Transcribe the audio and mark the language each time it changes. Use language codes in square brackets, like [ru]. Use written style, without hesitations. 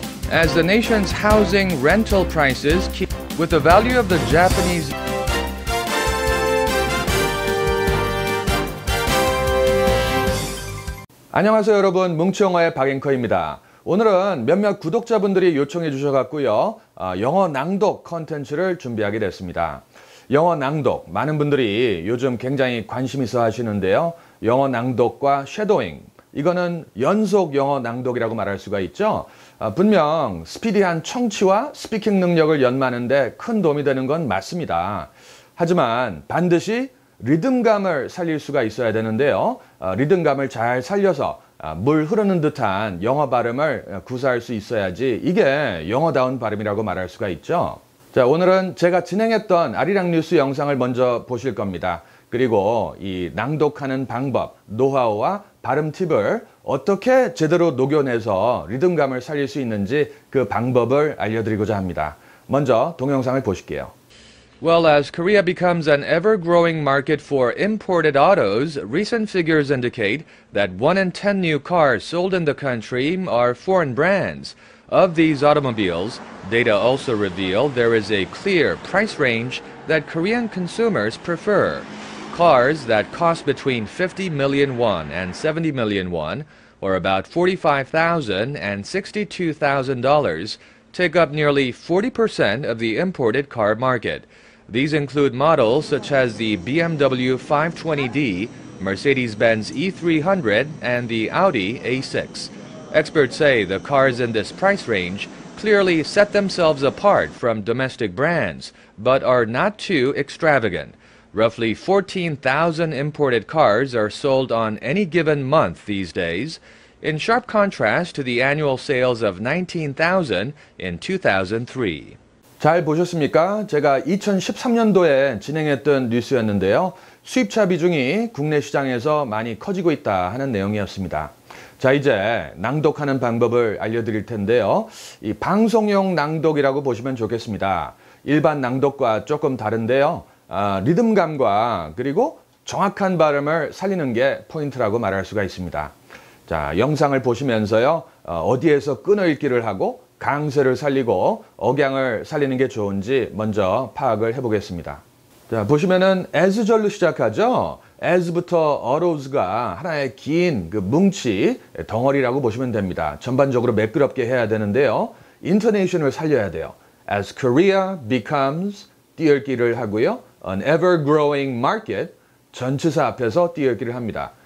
[en] as the nation's housing rental prices keep with the value of the Japanese. [ko] (목소리) 안녕하세요, 여러분. 뭉치영어의 박앵커입니다. 오늘은 몇몇 구독자분들이 요청해 주셔갖고요, 영어 낭독 컨텐츠를 준비하게 됐습니다. 영어 낭독, 많은 분들이 요즘 굉장히 관심 있어 하시는데요. 영어 낭독과 쉐도잉, 이거는 연속 영어 낭독이라고 말할 수가 있죠. 분명 스피디한 청취와 스피킹 능력을 연마하는데 큰 도움이 되는 건 맞습니다. 하지만 반드시 리듬감을 살릴 수가 있어야 되는데요. 리듬감을 잘 살려서 물 흐르는 듯한 영어 발음을 구사할 수 있어야지 이게 영어다운 발음이라고 말할 수가 있죠. 자, 오늘은 제가 진행했던 아리랑 뉴스 영상을 먼저 보실 겁니다. 그리고 이 낭독하는 방법, 노하우와 발음 팁을 어떻게 제대로 녹여내서 리듬감을 살릴 수 있는지 그 방법을 알려드리고자 합니다. 먼저 동영상을 보실게요. [en] Well, as Korea becomes an ever-growing market for imported autos, recent figures indicate that 1 in 10 new cars sold in the country are foreign brands. Of these automobiles, data also reveal there is a clear price range that Korean consumers prefer. Cars that cost between 50 million won and 70 million won, or about $45,000 and $62,000, take up nearly 40% of the imported car market. These include models such as the BMW 520D, Mercedes-Benz E300, and the Audi A6. Experts say the cars in this price range clearly set themselves apart from domestic brands, but are not too extravagant. Roughly 14,000 imported cars are sold on any given month these days, in sharp contrast to the annual sales of 19,000 in 2003. [ko] 잘 보셨습니까? 제가 2013년도에 진행했던 뉴스였는데요. 수입차 비중이 국내 시장에서 많이 커지고 있다 하는 내용이었습니다. 자, 이제 낭독하는 방법을 알려드릴 텐데요. 이 방송용 낭독이라고 보시면 좋겠습니다. 일반 낭독과 조금 다른데요. 리듬감과 그리고 정확한 발음을 살리는 게 포인트라고 말할 수가 있습니다. 자, 영상을 보시면서요. 어디에서 끊어 읽기를 하고 강세를 살리고 억양을 살리는 게 좋은지 먼저 파악을 해보겠습니다. 자, 보시면은 as절로 시작하죠. as부터 arose가 하나의 긴 그 뭉치 덩어리라고 보시면 됩니다. 전반적으로 매끄럽게 해야 되는데요. intonation을 살려야 돼요. [en] as Korea becomes [ko] 띄어기를 하고요. [en] an ever-growing market [ko] 전치사 앞에서 띄어기를 합니다.